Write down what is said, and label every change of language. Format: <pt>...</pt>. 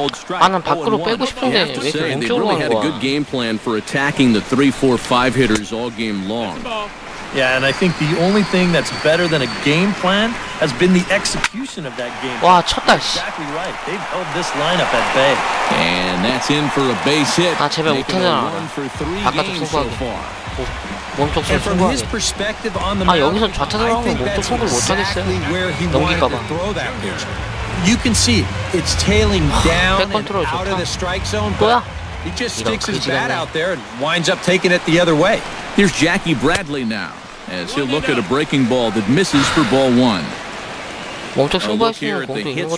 <ko>아, 난 밖으로 빼고 싶은데 왜 이렇게 몸쪽으로 가는 거야? 아, 밖으로 빼고 싶은데 왜 이렇게 몸쪽으로 가는 거야?</ko> <en>Yeah, and I think the only thing that's better than a game plan has been the execution of that game</en> <ko>plan. 와, 쳤다.</ko> <en>Exactly right. They've held this lineup at bay. And that's in for a base hit.</en> <ko>아, 제발 못하잖아. 바깥쪽 송구하게. 몸쪽 쏠 송구하게. 아, 여기서 좌타자랑 몸쪽 송구를 못하겠어요. 넘길까봐.</ko> <en>You can see it's tailing down and out of the strike zone.</en> <ko>뭐야?</ko> <en>He just sticks his bat out there and winds up taking it the other way. Here's Jackie Bradley now, as he'll look at a breaking ball that misses for ball one. A look here at the hits</en>